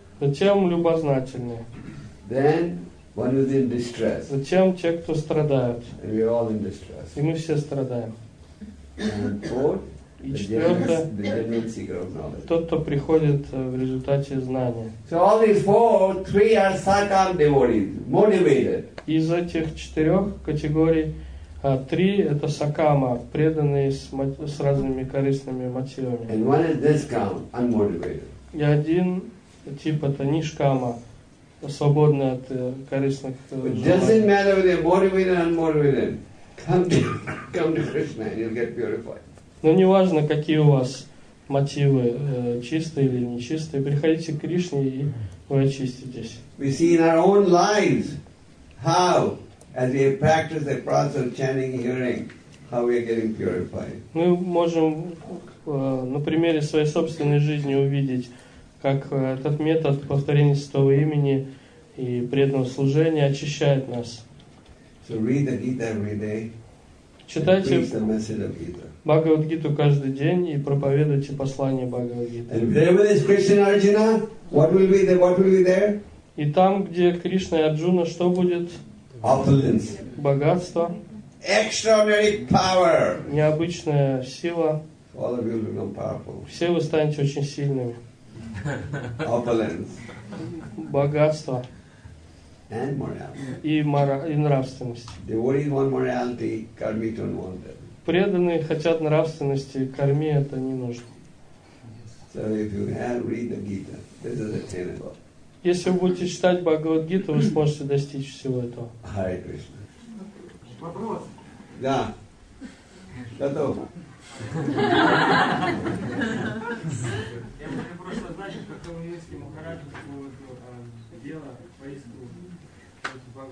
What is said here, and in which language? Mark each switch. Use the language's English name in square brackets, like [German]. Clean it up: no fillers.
[Russian] Затем любознательные. [English] Then one is in distress. [Russian] Затем те, кто страдают. [English] And we're all in distress. [Russian] И мы все страдаем. [English] And fourth, [Russian] и четвертое, тот, кто приходит в результате знания. [English] So all these four, three are sakam devotees, motivated. [Russian] Из этих четырех категорий три — это сакама, преданные с разными корыстными мотивами. [English] And one is niskam, unmotivated. [Russian] И один тип — это нишкама, свободный от корыстных желаний. [English] Doesn't matter whether motivated or unmotivated. Come to Krishna and you'll get purified. [Russian] Но не важно, какие у вас мотивы, чистые или нечистые, приходите к Кришне, и вы очиститесь. [English] We see in our own lives how, as we practice the process of chanting, hearing, how we are getting purified. [Russian] Мы можем на примере своей собственной жизни увидеть, как этот метод повторения святого имени и преданного служения очищает нас. [English] So read the Gita every day. [Russian] Читайте Бхагавад-гиту каждый день и проповедуйте послание Бхагавад-гиты. И там, где Кришна и Арджуна, что будет? [English] Opulence. [Russian] Богатство. [English] Extraordinary power. [Russian] Необычная сила. [English] All of you will become powerful. [Russian] Все вы станете очень сильными. [English] Opulence. [Russian] Богатство. [English] And morality. [Russian] И нравственность. [English] Devotees want morality, karmi don't want that. [Russian] Преданные хотят нравственности, карми это не нужно. [English] So if you have read the Gita, this is attainable. [Russian] Если вы будете читать Бхагавад-гиту, вы сможете достичь всего этого. [English] Hare Krishna. [Russian] Вопрос. Да. Готов. Я могу просто значить, как у нас есть Махараджа какого-то дела по искру.